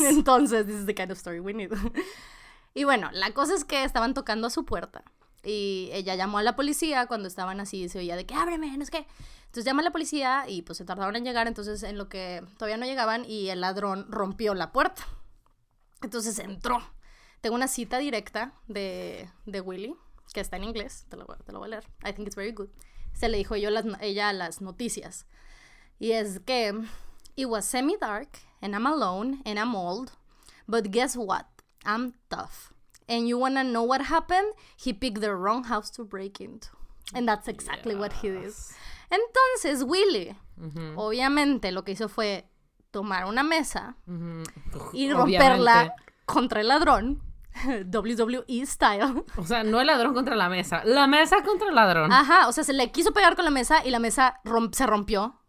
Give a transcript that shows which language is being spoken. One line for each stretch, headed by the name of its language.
English: Entonces, this is the kind of story we need.
Spanish: Y bueno, la cosa es que estaban tocando a su puerta. Y ella llamó a la policía cuando estaban así. Se oía de que, ábreme, no sé qué. Entonces llama a la policía y pues se tardaron en llegar. Entonces, en lo que todavía no llegaban, y el ladrón rompió la puerta. Entonces entró. Tengo una cita directa de Willie, que está en inglés. Te lo voy a leer.
English: I think it's very good.
Spanish: Se le dijo ella a las noticias. Y es que,
English: it was semi-dark and I'm alone and I'm old, but guess what? I'm tough. And you wanna know what happened? He picked the wrong house to break into. And that's exactly what he did.
Spanish: Entonces, Willie, obviamente lo que hizo fue tomar una mesa y romperla contra el ladrón, WWE style. O sea, no el ladrón contra la mesa contra el ladrón. Ajá, o sea, se le quiso pegar con la mesa y la mesa se rompió.